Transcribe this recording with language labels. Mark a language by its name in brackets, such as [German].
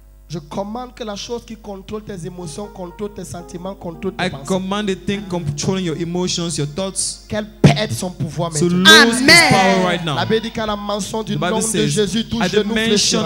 [French] Je commande que la chose qui contrôle tes émotions, contrôle tes sentiments, contrôle tes [English] I [French] pensées. [English] I command the thing controlling your emotions, your thoughts. [French] Qu'elle perde son pouvoir maintenant. [English] To lose Amen. Its power right now. [French] La Bible dit qu'à la mention du nom de Jésus, tout genou fléchira.